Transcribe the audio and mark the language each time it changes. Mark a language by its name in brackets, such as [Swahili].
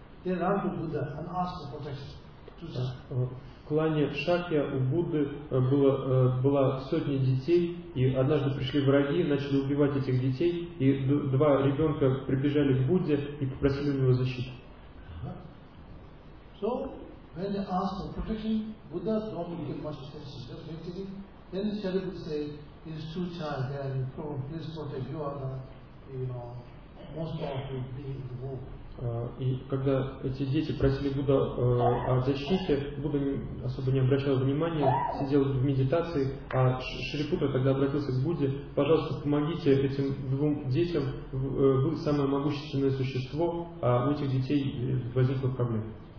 [English] They run to Buddha and ask for protection. Two child. [Russian] В клане Шакья у Будды была сотня детей, и однажды пришли враги, начали убивать этих детей, и два ребенка прибежали к Будде и попросили у него защиты. [English] So, when they asked for protection, Buddha dropped into much attention. Then Shariputta said, "It is two child, they are in trouble, please protect, you are the, you know, most powerful being in the world." [Russian] И когда эти дети просили Будда о защите, Будда особо не обращал внимания, сидел в медитации, а Шарипутра тогда обратился к Будде: «Пожалуйста, помогите этим двум детям, вы самое могущественное существо, а у этих детей возникла проблема».